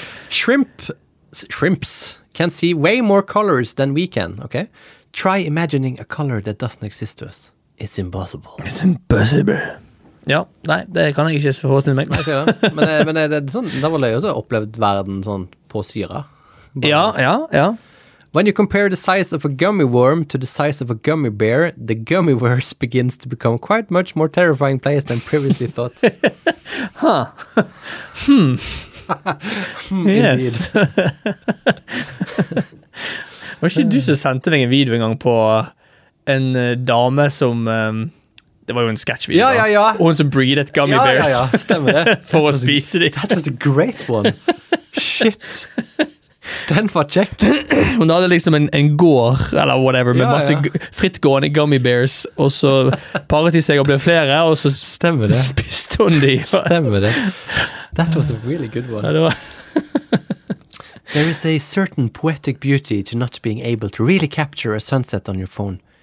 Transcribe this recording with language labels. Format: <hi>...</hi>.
<en>Shrimps can see way more colors than we can, okay? Try imagining a color that doesn't exist to us. It's impossible. It's impossible.</en> <no>Ja, nei, det kan jeg ikke forstille meg.</no> <en>Okay,</en> <no>ja. Men det er sånn, da var det jo også opplevd verden sånn på syre. Bare. Ja, ja, ja.</no> <en>When you compare the size of a gummy worm to the size of a gummy bear, the gummy worm begins to become quite much more terrifying place than previously thought. Hmm. Yes.</en> <no>Var ikke du som sendte meg en video en gang på en dame som... det var jo en sketch-video. Ja, ja, ja. Og hun som breedet gummy bears. Ja, ja, ja. Stemmer det. For å spise dem.</no> <en>That was a great one. Shit.</en> <no>Den var kjekk. Hun hadde liksom en gård, eller whatever, med masse frittgående gummy bears, og så paret de seg og ble flere, og så spiste hun de. Stemmer det.</no> <en>That was a really good one.</en> <no>Ja, det var...</no> <en>There is a certain poetic beauty to not being able to really capture a sunset on your phone.</en>